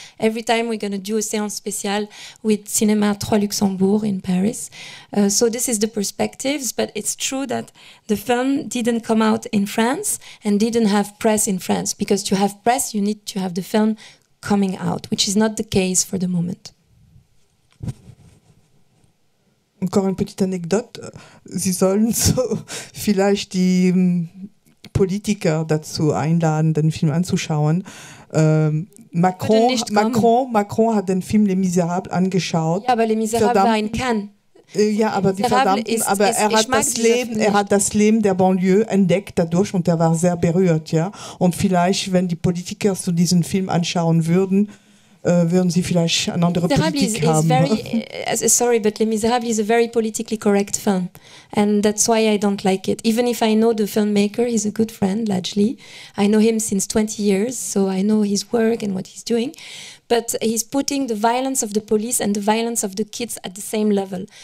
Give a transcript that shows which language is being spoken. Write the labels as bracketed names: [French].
[English] Every time we're going to do a [French] séance spéciale [English] with Cinéma Trois Luxembourg in Paris. So this is the perspectives, but it's true that the film didn't come out in France and didn't have press in France, because to have press, you need to have the film coming out, which is not the case for the moment. [French] Encore une petite anecdote, [German] Sie sollen so vielleicht die Politiker dazu einladen, den Film anzuschauen. Macron hat den Film Les Misérables angeschaut. Ja, aber Les Misérables war in Cannes. Ja, aber die Verdammten, aber er hat das Leben, er hat das Leben der Banlieue entdeckt dadurch und er war sehr berührt, ja. Und vielleicht, wenn die Politiker so diesen Film anschauen würden, würden Sie vielleicht eine andere Politik haben. [English] Sorry, but Les Misérables is a very politically correct film. And that's why I don't like it. Even if I know the filmmaker, he's a good friend, largely. I know him since 20 years, so I know his work and what he's doing. But he's putting the violence of the police and the violence of the kids at the same level.